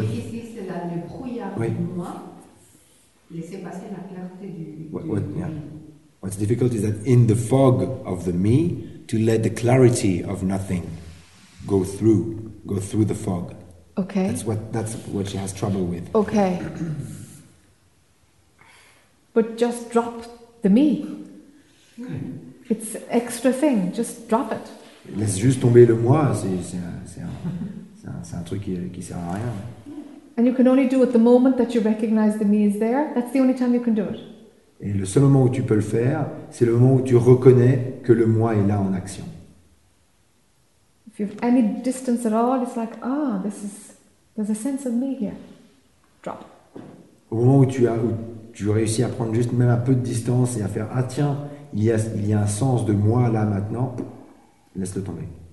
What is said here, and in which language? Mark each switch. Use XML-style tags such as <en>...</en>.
<fr>Ce qui est difficile, c'est là le brouillard du moi. Laisser passer la clarté du.</fr> <en>What's difficult is that in the fog of the me, to let the clarity of nothing go through the fog. Okay. That's what she has trouble with. Okay. But just drop the me. It's an extra thing. Just drop it.</en> <fr>Laisse juste tomber le moi. C'est un truc qui sert à rien.</fr> <en>And you can only do it the moment that you recognize the me is there. That's the only time you can do it.</en> <fr>Et le seul moment où tu peux le faire, c'est le moment où tu reconnais que le moi est là en action.</fr> <en>If you have any distance at all, it's like, ah, there's a sense of me here. Drop.</en> <fr>Au moment où tu réussis à prendre juste même un peu de distance et à faire, ah tiens, il y a un sens de moi là maintenant, laisse-le tomber.</fr>